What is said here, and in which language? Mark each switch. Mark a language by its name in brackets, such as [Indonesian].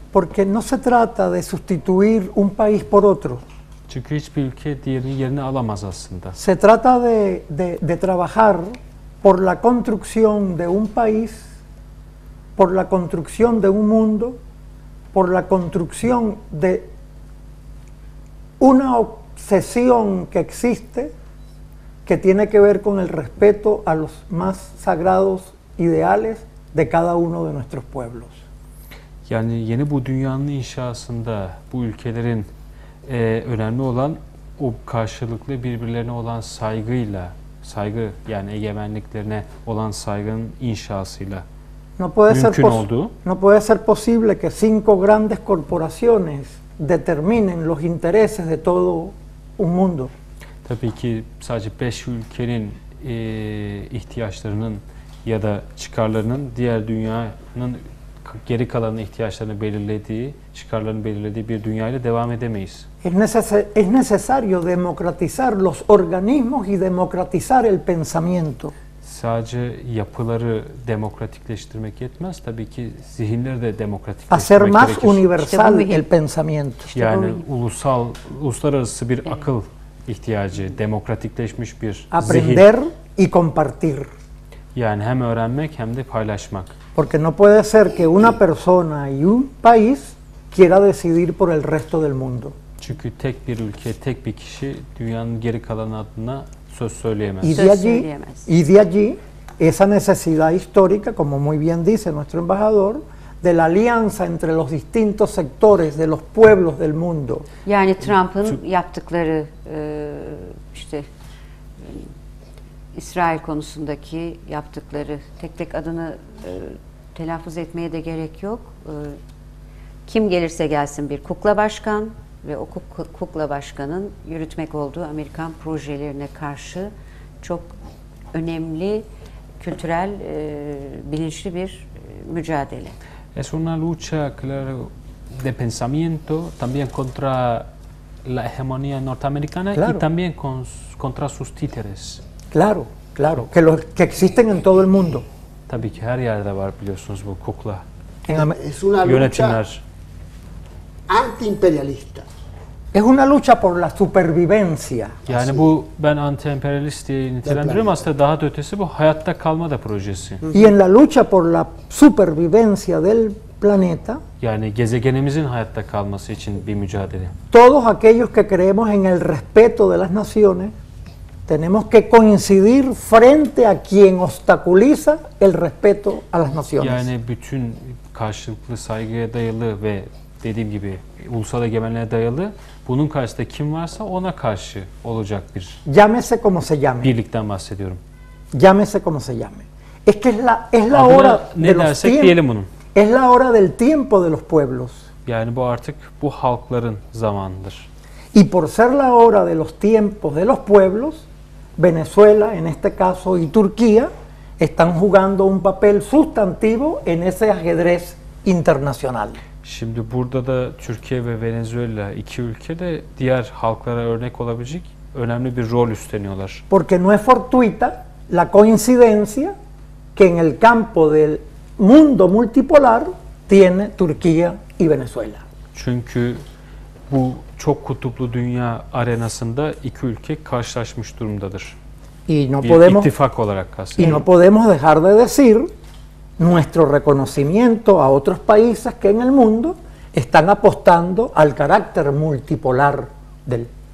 [Spanish] Porque no se trata de sustituir un país por otro. [Turkish] Çünkü hiçbir ülke diğerinin yerini alamaz aslında. [Spanish] Se trata de trabajar por la construcción de un país, por la construcción de un mundo, por la construcción de una obsesión que existe que tiene que ver con el respeto a los más sagrados ideales de cada uno de nuestros pueblos. [Turkish] Yani yeni bu dünyanın inşasında bu ülkelerin önemli olan o karşılıklı birbirlerine olan saygıyla, saygı yani egemenliklerine olan saygının inşasıyla. [Spanish] No puede ser posible que cinco grandes corporaciones determinen los intereses de todo un mundo. [Turkish] Tabii ki sadece beş ülkenin ihtiyaçlarının ya da çıkarlarının diğer dünyanın geri kalanın ihtiyaçlarını belirlediği, çıkarlarını belirlediği bir dünyayla devam edemeyiz. [Spanish] Es necesario democratizar los organismos y democratizar el pensamiento. [Turkish] Sadece yapıları demokratikleştirmek yetmez, tabii ki zihinleri de demokratikleştirmek [Spanish] hacer más gerekir. Universal el pensamiento. [Turkish] Yani ulusal, uluslararası bir akıl ihtiyacı, demokratikleşmiş bir zihin. [Spanish] Aprender y compartir. [Turkish] Yani hem öğrenmek hem de paylaşmak. [Spanish] Porque no puede ser que una persona y un país quiera decidir por el resto del mundo. [Turkish] Çünkü tek bir ülke, tek bir kişi dünyanın geri kalanı adına söz söyleyemez. [Spanish] Y de allí esa necesidad histórica, como muy bien dice nuestro embajador, de la alianza entre los distintos sectores de los pueblos del mundo. [Turkish] Yani Trump'ın yaptıkları işte İsrail konusundaki yaptıkları, tek tek adını telaffuz etmeye de gerek yok. Kim gelirse gelsin bir kukla başkan ve o kukla başkanın yürütmek olduğu Amerikan projelerine karşı çok önemli kültürel bilinçli bir mücadele. [Spanish] Es una lucha, claro, de pensamiento, también contra la hegemonía norteamericana, claro, y también contra sus títeres. Claro, claro, que los que existen en todo el mundo. [Turkish] Tabii ki her yerde var biliyorsunuz bu kukla. [Spanish] Es una lucha anti-imperialista. Es una lucha por la supervivencia. [Turkish] Yani bu ben anti-imperialist diye nitelendiriyorum. Aslında daha da ötesi bu hayatta kalma da projesi. [Spanish] Y en la lucha por la supervivencia del planeta. [Turkish] Yani gezegenimizin hayatta kalması için bir mücadele. [Spanish] Todos aquellos que creemos en el respeto de las naciones tenemos que coincidir frente a quien obstaculiza el respeto a las naciones. [Turkish] Yani bütün karşılıklı saygıya dayalı ve dediğim gibi ulusal egemenliğe dayalı bunun karşısında kim varsa ona karşı olacak bir. [Spanish] Llámese como se llame. [Turkish] Birlikten bahsediyorum. [Spanish] Llámese como se llame. Es que es la hora [Turkish] ne de dersek los diyelim bunun. [Spanish] Es la hora del tiempo de los pueblos. [Turkish] Yani bu artık bu halkların zamanıdır. [Spanish] Y por ser la hora de los tiempos de los pueblos, Venezuela en este caso y Turquía están jugando un papel sustantivo en ese ajedrez internacional. [Turkish] Şimdi burada da Türkiye ve Venezuela iki ülke de diğer halklara örnek olabilecek önemli bir rol üstleniyorlar. [Spanish] Porque no es fortuita la coincidencia que en el campo del mundo multipolar tiene Turquía y Venezuela. [Turkish] Çünkü bu çok kutuplu dünya arenasında iki ülke karşılaşmış durumdadır. [Spanish] Y no podemos, [Turkish] bir ittifak olarak kastediyorum. [Spanish] Y no podemos dejar de decir nuestro reconocimiento a otros países que en el mundo están apostando al carácter multipolar del.